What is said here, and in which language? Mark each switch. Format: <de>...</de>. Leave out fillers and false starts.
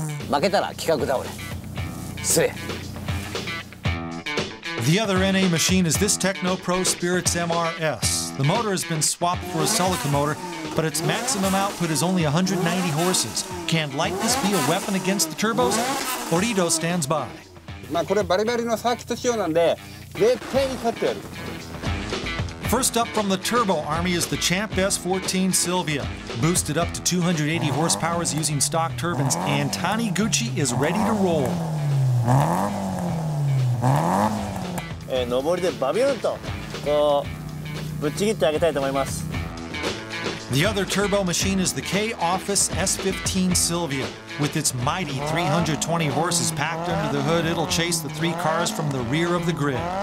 <ja>負けたら企画倒れ。失礼。</ja> <en>The other NA machine is this TechnoPro Spirits MRS. The motor has been swapped for a Celica motor, but its maximum output is only 190 horses. Can Lightness be a weapon against the turbos? Orido stands by.</en> <ja>まあこれバリバリのサーキット仕様なんで絶対に勝ってやる。</ja> <en>First up from the Turbo Army is the Champ S14 Silvia. Boosted up to 280 horsepower using stock turbines, and Taniguchi is ready to roll.</en> <ja>上りでバビュンとこうぶっちぎってあげたいと思います。</ja> <en>The other turbo machine is the K-Office S15 Silvia. With its mighty 320 horses packed under the hood, it'll chase the three cars from the rear of the grid.</en>